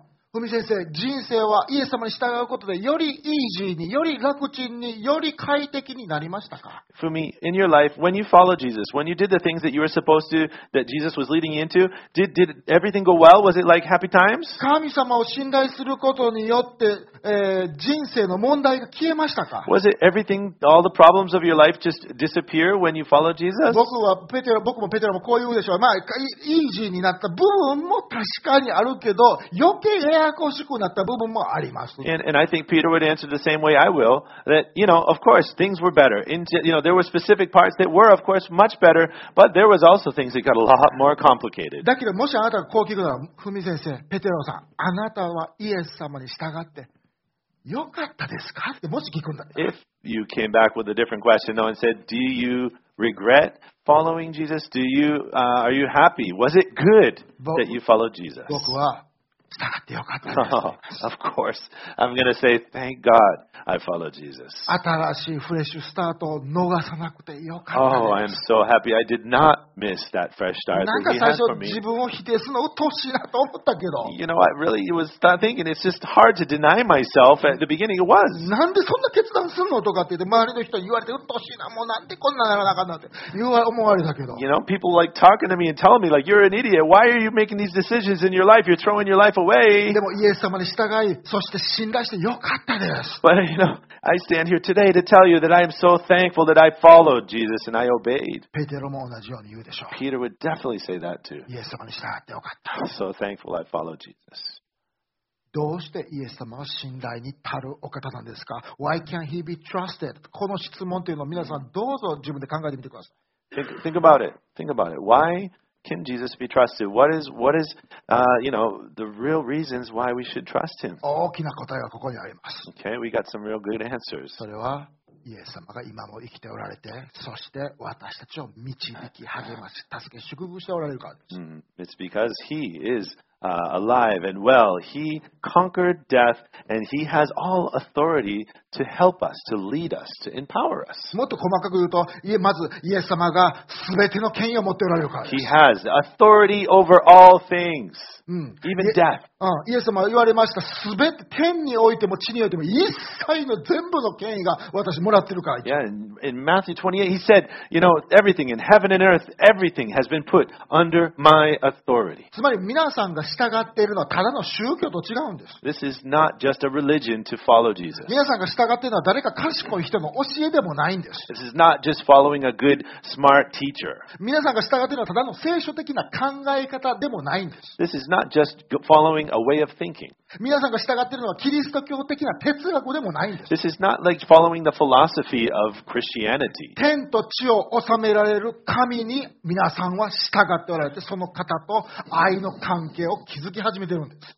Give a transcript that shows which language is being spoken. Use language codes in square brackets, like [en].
[ja] ふみ先生、人生はイエス様に従うことでよりイージーに、より楽ちんに、より快適になりましたか? [en] Fumi, in your life, when you followed Jesus, when you did the things that you were supposed to, that Jesus was leading you into, did everything go well? Was it like happy times? [ja] 神様を信頼することによって、人生の問題が消えましたか? [en] Was it everything, all the problems of your life just disappear when you followed Jesus? [ja] 僕もペテロもこう言うでしょう。まあ、イージーになった部分も確かにあるけど、余計 [en] And I think Peter would answer the same way I will, that, you know, of course, things were better. You know, there were specific parts that were, of course, much better, but there was also things that got a lot more complicated. [ja] だけどもしあなたがこう聞くなら、ふみ先生、ペテロさん、あなたはイエス様に従ってよかったですか? ってもし聞くんだ。 [en] If you came back with a different question, though, and said, do you regret following Jesus? Do you, are you happy? Was it good that you followed Jesus? [ja] 僕は従ってよかったです。 [en] Of course. I'm going to say, thank God I followed Jesus. [ja] 新しいフレッシュスタートを逃さなくてよかったです。 [en] Oh, I'm so happy. I did not miss that fresh start that he had for me. [ja] なんか最初自分を否定するのうっとうしいなと思ったけど。 [en] You know, I really was thinking it's just hard to deny myself at the beginning. It was. [ja] なんでそんな決断するのとかって言って周りの人に言われてうっとうしいな。もうなんでこんなならなかったって思われたけど。 [en] You know, people like talking to me and telling me like, you're an idiot. Why are you making these decisions in your life? You're throwing your life [ja] でもイエス様に従い、そして信頼してよかったです。 [en] But you know, I stand here today to tell you that I am so thankful that I followed Jesus and I obeyed. [ja] ペテロも同じように言うでしょう。 [en] Peter would definitely say that too. [ja] イエス様に従ってよかった。 [en] So thankful I followed Jesus. [ja] どうしてイエス様は信頼に足るお方なんですか? [en] Why can't he be trusted? [ja] この質問というのを皆さんどうぞ自分で考えてみてください。 [en] Think about it. Think about it. Why? Can Jesus be trusted? What is, you know, the real reasons why we should trust him? [ja] 大きな答えはここにあります。 [en] Okay, we got some real good answers. [ja] それはイエス様が今も生きておられて、そして私たちを導き、励まし、助け、祝福しておられるからです。 [en] It's because he is alive and well. He conquered death and he has all authority to help us, to lead us, to empower us. [ja] もっと細かく言うと、まずイエス様が全ての権威を持っておられるからです。 [en] He has authority over all things. Even death. [ja] イエス様は言われました。すべて天においても地においても一切の全部の権威が私もらってるから。 [en] Yeah, in Matthew 28, he said, you know, everything in heaven and earth, everything has been put under my authority. [ja] つまり皆さんが従っているのはただの宗教と違うんです。 [en] This is not just a religion to follow Jesus. [ja] 皆さんが従っているのは誰か賢い人の教えでもないんです。 [en] This is not just following a good, smart teacher. [ja] 皆さんが従っているのはただの聖書的な考え方でもないんです。 [en] This is not just following a way of thinking. [ja] 皆さんが従っているのはキリスト教的な哲学でもないんです。 [en] This is not like following the philosophy of Christianity. [ja] 天と地を治められる神に皆さんは従っておられて、その方と愛の関係を気づき始めているんです。